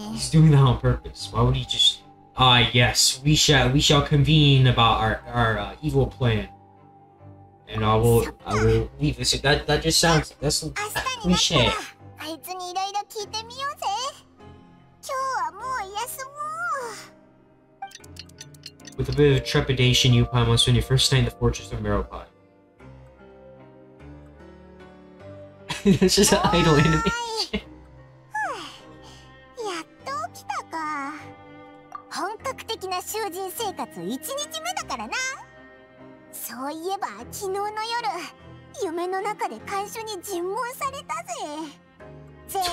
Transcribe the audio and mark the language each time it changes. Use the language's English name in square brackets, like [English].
[English] He's doing that on purpose. Why would he just? Ah, yes. We shall convene about our evil plan. And I will leave this. That just sounds. That's a cliche. [Japanese] あいつにいろいろ聞いてみようぜ。今日はもう休もう。 [English] With a bit of trepidation, you upon must spend your first night in the fortress of Meropai. It's just an idle enemy. [Japanese] やっと起きたか。本格的な囚人生活1日目だからな。そういえば昨日の夜、夢の中で看守に尋問されたぜ。